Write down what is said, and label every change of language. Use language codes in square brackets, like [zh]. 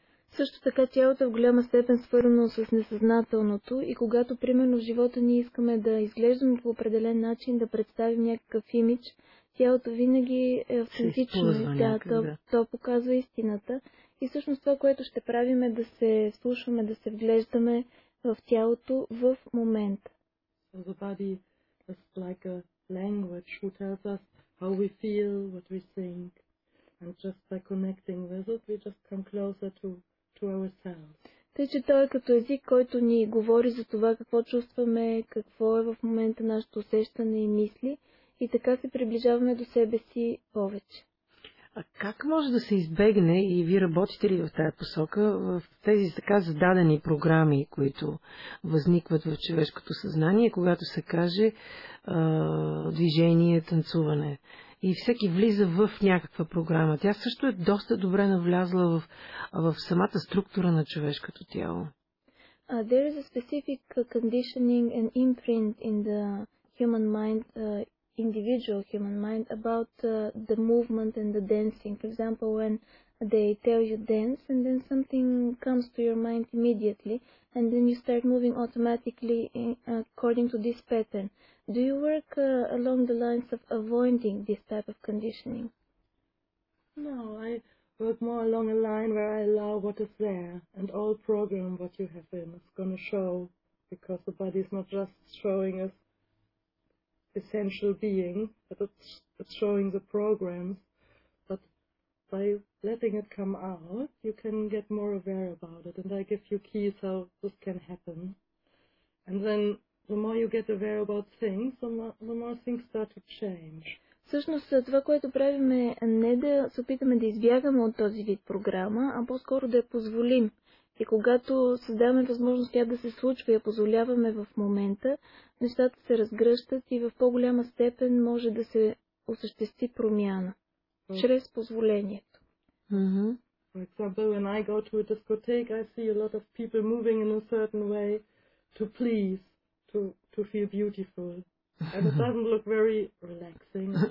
[bg] Също така тялото е в голяма степен свързано с несъзнателното и когато, примерно, в живота ни искаме да изглеждаме по определен начин, да представим някакъв имидж, тялото винаги е автентично. Да, то показва истината И всъщност това, което ще правим е да се слушаме, да се вглеждаме в тялото в момента. [en] The body is like a language who tells us how we feel, what we think. And just by connecting with it, we just come closer to ourselves. [bg] Тъй, че той е като език, който ни говори за това какво чувстваме, какво е в момента нашето усещане и мисли. И така се приближаваме до себе си повече. А как може да се избегне, и вие работите ли в тази посока, в тези така зададени програми, които възникват в човешкото съзнание, когато се каже движение, танцуване? И всеки влиза в някаква програма. Тя също е доста добре навлязла в самата структура на човешкото тяло. [en] There is a specific conditioning and imprint in the human mind, individual human mind, about the movement and the dancing. For example, when they tell you dance, and then something comes to your mind immediately, and then you start moving automatically according to this pattern. Do you work along the lines of avoiding this type of conditioning? No, I work more along a line where I allow what is there, and all program what you have in is going to show, because the body is not just showing us essential being, but it's showing the programs. But by letting it come out, you can get more aware about it, and I give you keys how this can happen. And then the more you get aware about things, the more things start to change. [bg] Всъщност това, което правим, е не да се опитаме да избягаме от този вид програма, а по-скоро да я позволим. И когато създаваме възможност тя да се случва и я позволяваме в момента, нещата се разгръщат и в по-голяма степен може да се осъществи промяна чрез позволението. [en] For example, when I go to a discotheque, I see a lot of people moving in a certain way to please, to feel beautiful. And it doesn't look very relaxing.